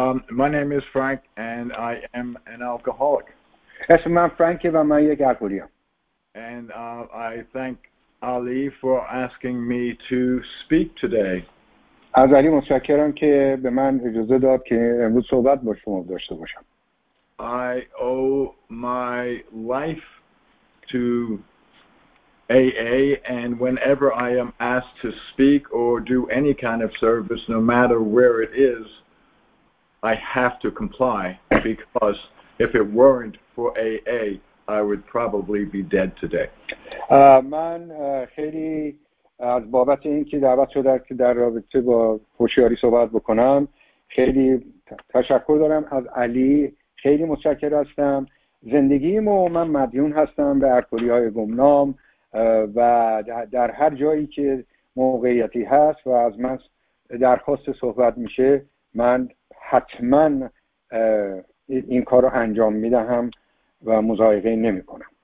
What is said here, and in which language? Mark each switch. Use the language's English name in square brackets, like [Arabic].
[English] My name is Frank, and I am an alcoholic. [Persian] اسم من فرانکه و من یک الکلیم. [English] And I thank Ali for asking me to speak today. [Persian] از علی متشکرم که به من اجازه داد که امروز صحبت با شما داشته باشم. [English] I owe my life to AA, and whenever I am asked to speak or do any kind of service, no matter where it is, I have to comply, because if it weren't for AA, I would probably be dead today. [Persian] من خیلی از بابت اینکه دعوت شدم که در رابطه با هوشیاری صحبت بکنم خیلی تشکر دارم از علی، خیلی متشکر هستم. زندگیم و من مدیون هستم به الکلی‌های گمنام و در هر جایی که موقعیتی هست و از من درخواست صحبت میشه، من حتما این کار رو انجام میدهم و مزایقه نمی کنم.